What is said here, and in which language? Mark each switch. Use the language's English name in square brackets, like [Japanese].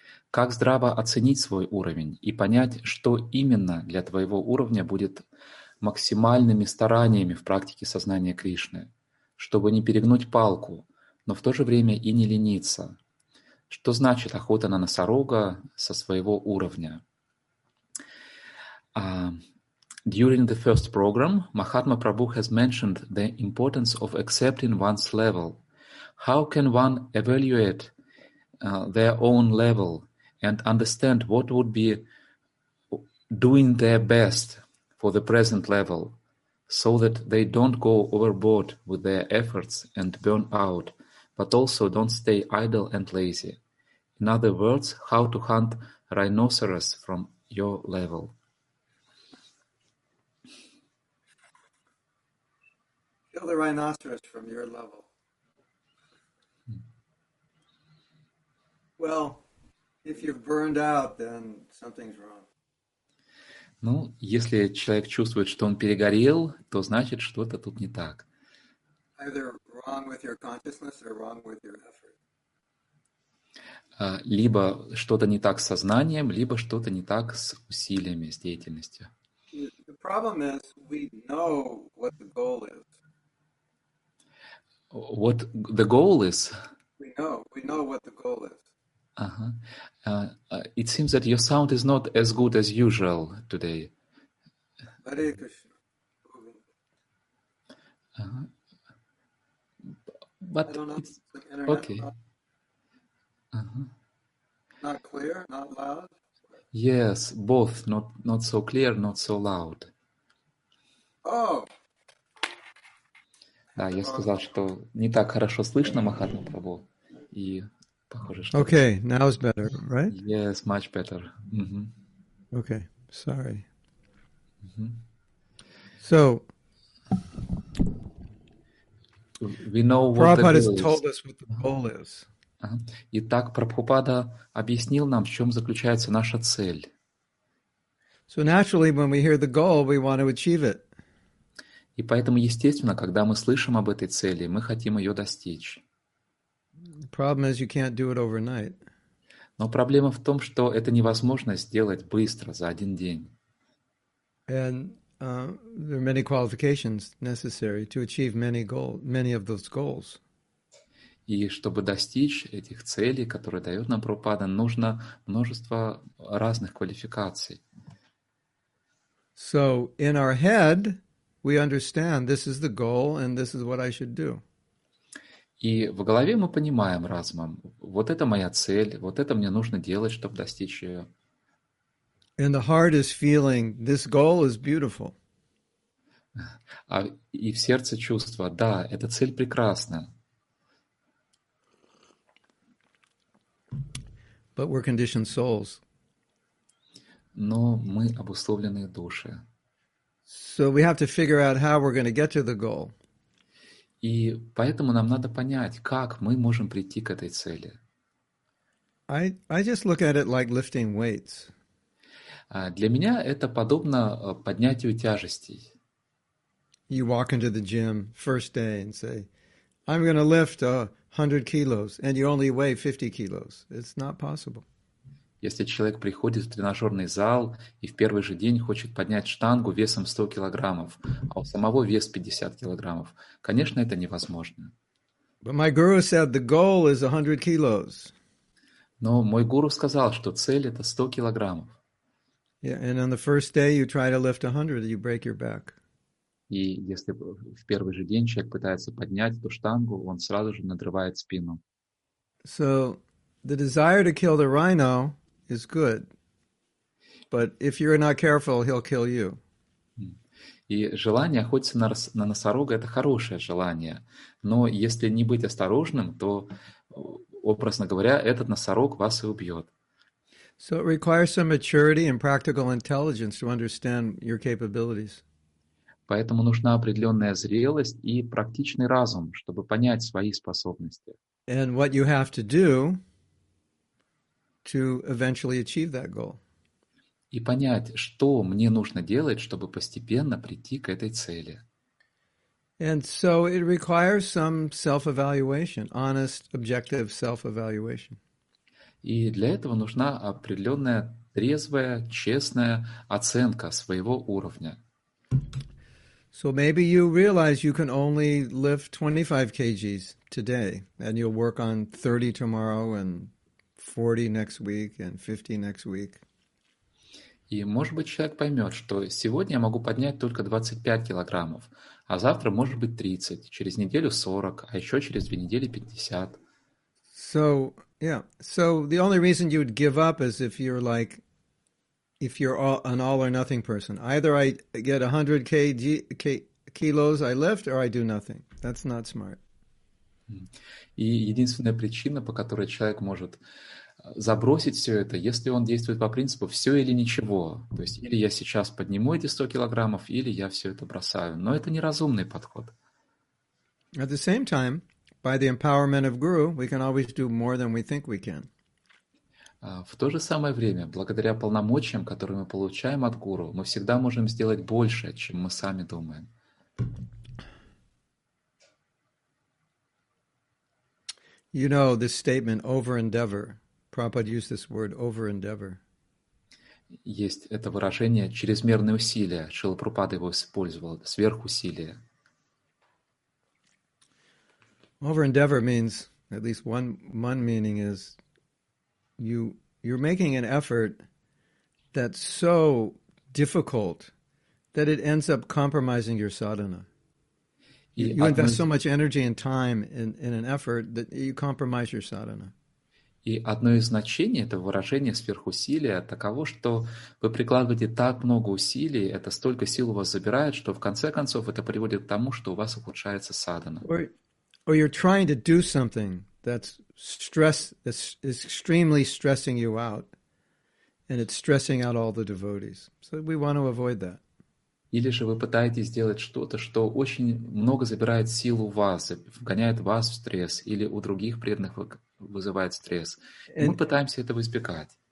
[Russian] Как здраво оценить свой уровень и понять, что именно для твоего уровня будет максимальными стараниями в практике сознания Кришны, чтобы не перегнуть палку, но в то же время и не лениться? Что значит охота на носорога со своего уровня? [English] During the first program, Mahatma Prabhu has mentioned the importance of accepting one's level. How can one evaluate their own level and understand what would be doing their best for the present level so that they don't go overboard with their efforts and burn out, but also don't stay idle and lazy? In other words, how to hunt rhinoceros from your level? Kill the rhinoceros from your level. Well, if you've burned out, then something's wrong. [Russian] Ну, если человек чувствует, что он перегорел, то значит, что-то тут не так. [English] Either wrong with your consciousness or wrong with your effort. [Russian] Либо что-то не так с сознанием, либо что-то не так с усилиями, с деятельностью. [English] The problem is we know what the goal is. What the goal is? We know what the goal is. It seems that your sound is not as good as usual today. Hare Krishna. I But don't know. it's It's an internet problem. okay. Not clear, not loud. Yes, both, not so clear, not so loud. Oh. [Russian] Да, я [English] Wrong. [Russian] сказал, что не так хорошо слышно Махатма Прабху, и похоже, что [English] Okay, now it's better, right? yes, much better. Okay, sorry. So, We know what the Prabhupada has goal told is. us what the goal is. [Russian] Итак, Прабхупада объяснил нам, в чем заключается наша цель. [English] So naturally, when we hear the goal, we want to achieve it. [Russian] И поэтому, естественно, когда мы слышим об этой цели, мы хотим ее достичь. [English] Problem is you can't do it overnight. [Russian] Но проблема в том, что это невозможно сделать быстро, за один день. [English] And there are many qualifications necessary to achieve many of those goals. [Russian] И чтобы достичь этих целей, которые дает нам Прабхупада, нужно множество разных квалификаций. [English] So in our head, we understand this is the goal and this is what I should do. [Russian] И в голове мы понимаем разумом, вот это моя цель, вот это мне нужно делать, чтобы достичь ее. [English] And the heart is feeling this goal is beautiful. [Russian] А и в сердце чувство, да, эта цель прекрасна. [English] But we're conditioned souls. [Russian] Но мы обусловленные души. [English] So we have to figure out how we're going to get to the goal. [Russian] И поэтому нам надо понять, как мы можем прийти к этой цели. [English] I just look at it like lifting weights. [Russian] Для меня это подобно поднятию тяжестей. [English] You walk into the gym first day and say, I'm going to lift 100 kilos, and you only weigh 50 kilos. It's not possible. [Russian] Если человек приходит в тренажерный зал и в первый же день хочет поднять штангу весом 100 килограммов, а у самого вес 50 килограммов, конечно, это невозможно. [English] But my guru said the goal is 100 kilos. [Russian] Но мой гуру сказал, что цель – это 100 килограммов. [English] Yeah, and on the first day you try to lift 100, you break your back. [Russian] И если в первый же день человек пытается поднять эту штангу, он сразу же надрывает спину. [English] So the desire to kill the rhino is good, but if you're not careful, he'll kill you. [Russian] И желание охотиться на носорога – это хорошее желание. Но если не быть осторожным, то, образно говоря, этот носорог вас и убьет. [English] So it requires some maturity and practical intelligence to understand your capabilities. [Russian] Поэтому нужна определенная зрелость и практичный разум, чтобы понять свои способности. [English] And what you have to do to eventually achieve that goal. [Russian] И понять, что мне нужно делать, чтобы постепенно прийти к этой цели. [English] And so it requires some self-evaluation, honest, objective self-evaluation. [Russian] И для этого нужна определенная трезвая, честная оценка своего уровня. [English] So maybe you realize you can only lift 25 kgs today, and you'll work on 30 tomorrow, and 40 next week, and 50 next week. [Russian] И может быть человек поймет, что сегодня я могу поднять только 25 килограммов, а завтра может быть 30, через неделю 40, а еще через 2 недели 50. [English] So, yeah. So the only reason you would give up is if you're like, if you're all, an all or nothing person. Either I get 100 kilos I lift, or I do nothing. That's not smart. [Russian] И единственная причина, по которой человек может забросить все это, если он действует по принципу «все или ничего». То есть или я сейчас подниму эти 100 килограммов, или я все это бросаю. Но это неразумный подход. [English] At the same time, by the empowerment of Guru, we can always do more than we think we can. [Russian] В то же самое время, благодаря полномочиям, которые мы получаем от Гуру, мы всегда можем сделать больше, чем мы сами думаем. [English] You know this statement, over-endeavor. Prabhupada used this word, over-endeavor. [Russian] Есть это выражение «чрезмерные усилия». Шрила Прабхупада его использовал, «сверхусилия». [English] Over-endeavor means, at least one meaning is, you're making an effort that's so difficult that it ends up compromising your sadhana. You invest so much energy and time in an effort that you compromise your sadhana. [Russian] И одно из значений этого выражения сверхусилия таково, что вы прикладываете так много усилий, это столько сил у вас забирает, что в конце концов это приводит к тому, что у вас ухудшается садхана. [English] Or you're trying to do something that's extremely stressing you out, and it's stressing out all the devotees. So we want to avoid that. [Russian] Или же вы пытаетесь сделать что-то, что очень много забирает сил у вас, вгоняет вас в стресс, или у других преданных вызывает стресс. Мы пытаемся этого избегать.